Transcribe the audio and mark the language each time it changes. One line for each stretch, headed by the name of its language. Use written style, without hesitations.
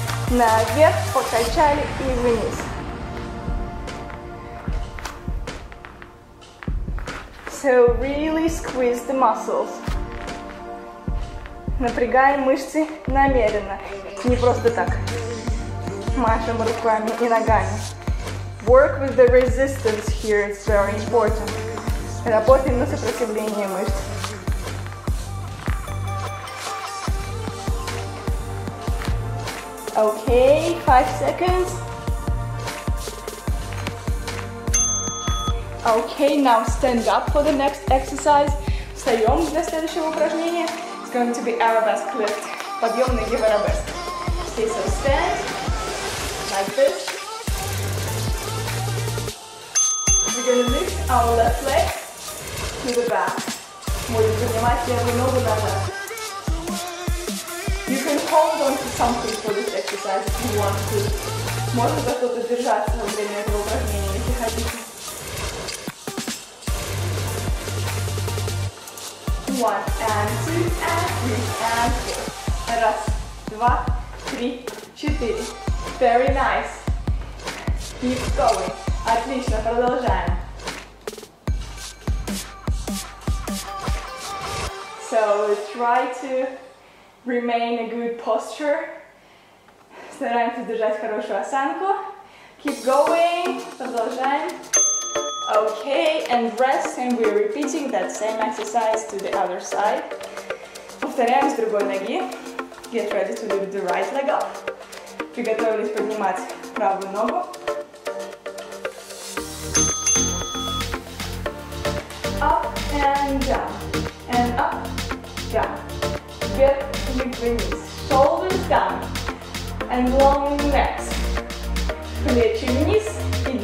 Russian: Наверх, покачали и вниз.
English: So really squeeze the muscles.
Russian: Напрягаем мышцы намеренно, не просто так. Машем руками и ногами.
English: Work with the resistance here, it's very important.
Russian: Работаем на сопротивление мышц.
English: Okay, 5 seconds. Okay, now stand up for the next exercise.
Russian: Встаем для следующего упражнения.
English: It's going to be arabesque lift.
Russian: Подъем ноги в арабеске.
English: Okay, so stand like this. We're gonna lift our left leg to the back.
Russian: Будем поднимать левую ногу назад.
English: You can hold on to something for this exercise if you want to.
Russian: Можно за что-то держаться во время этого упражнения, если хотите.
English: One, and two, and three, and four.
Russian: Раз, два, три, четыре.
English: Very nice. Keep going.
Russian: Отлично, продолжаем.
English: So, try to remain a good posture.
Russian: Стараемся держать хорошую осанку.
English: Keep going.
Russian: Продолжаем.
English: Okay, and rest. And we're repeating that same exercise to the other side.
Russian: Повторяем с другой ноги.
English: Get ready to lift the right leg up.
Russian: Приготовились поднимать правую ногу.
English: Up and down. And up, down. Get вниз. Shoulders down and long necks.
Russian: Плечи вниз и